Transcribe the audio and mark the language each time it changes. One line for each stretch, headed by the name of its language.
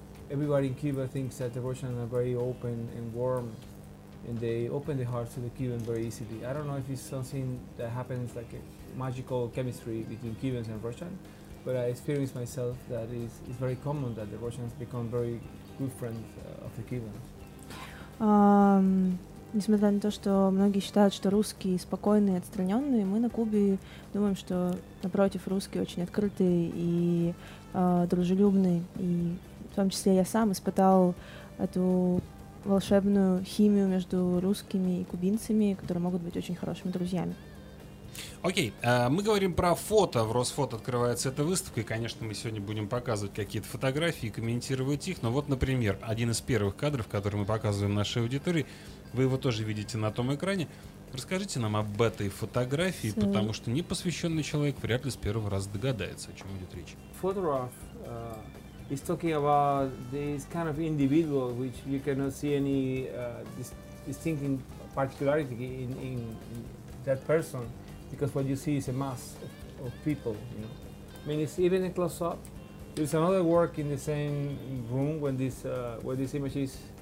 English: Everybody in Cuba thinks that the Russians are very open and warm, and they open their hearts to the Cubans very easily. I don't know if it's something that happens like a magical chemistry between Cubans and Russians, but I experienced myself that it's very common that the Russians become very good friends of the Cubans.
Russian: Несмотря на то, что многие считают, что русские спокойные, отстраненные, мы на Кубе думаем, что, напротив, русские очень открытые и дружелюбные. И в том числе я сам испытал эту волшебную химию между русскими и кубинцами, которые могут быть очень хорошими друзьями. Окей, мы говорим про фото. В Росфото открывается эта выставка, и, конечно, мы сегодня будем показывать какие-то фотографии и комментировать их. Но вот, например, один из первых кадров, который мы показываем нашей аудитории, вы его тоже видите на том экране. Расскажите нам об этой фотографии, потому что непосвященный человек вряд ли с первого раза догадается, о чем идет речь.
English: Photograph is talking about this kind of individual, which you cannot see any distinct particularity in that person, because what you see is a mass of people. You know, I mean, it's even a close-up. There's another work in the same room when this where this image is.